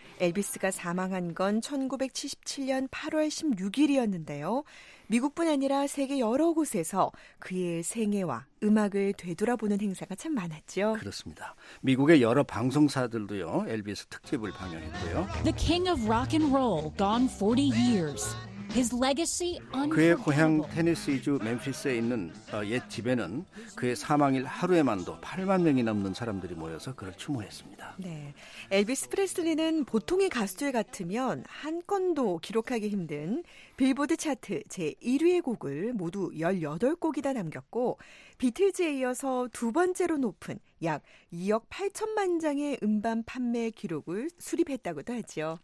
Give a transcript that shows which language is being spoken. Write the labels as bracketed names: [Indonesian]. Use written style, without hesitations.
[Korean] 엘비스가 사망한 건 1977년 8월 16일이었는데요. 미국뿐 아니라 세계 여러 곳에서 그의 생애와 음악을 되돌아보는 행사가 참 많았죠. 그렇습니다. 미국의 여러 방송사들도요, 엘비스 특집을 방영했고요. [English] The King of Rock and Roll gone 40 years. His legacy. [Korean] 그의 고향 테네시주 멤피스에 있는 옛 집에는 그의 사망일 하루에만도 8만 명이 넘는 사람들이 모여서 그를 추모했습니다. 네, 엘비스 프레슬리는 보통의 가수들 같으면 한 건도 기록하기 힘든 빌보드 차트 제1위의 곡을 모두 18곡이나 남겼고 비틀즈에 이어서 두 번째로 높은 약 2억 8천만 장의 음반 판매 기록을 수립했다고도 하죠.